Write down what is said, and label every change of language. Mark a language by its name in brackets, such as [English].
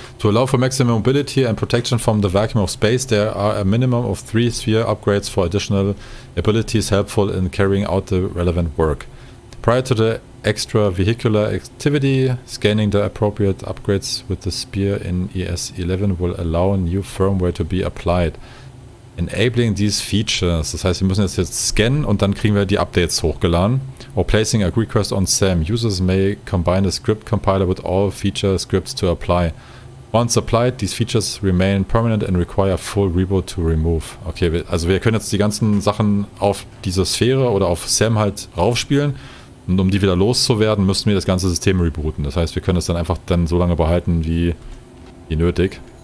[English] To allow for maximum mobility and protection from the vacuum of space, there are a minimum of 3 sphere upgrades for additional abilities helpful in carrying out the relevant work. Prior to the extra-vehicular activity, scanning the appropriate upgrades with the spear in ES-11 will allow new firmware to be applied, enabling these features. [German] Das heißt, wir müssen jetzt scannen und dann kriegen wir die Updates hochgeladen. [English] Or placing a request on SAM. Users may combine the script compiler with all feature scripts to apply. Once applied, these features remain permanent and require full reboot to remove. [German] Okay, also wir können jetzt die ganzen Sachen auf diese Sphäre oder auf SAM halt raufspielen. Und um die wieder loszuwerden, müssen wir das ganze System rebooten. Das heißt, wir können es dann einfach dann so lange behalten, wie nötig.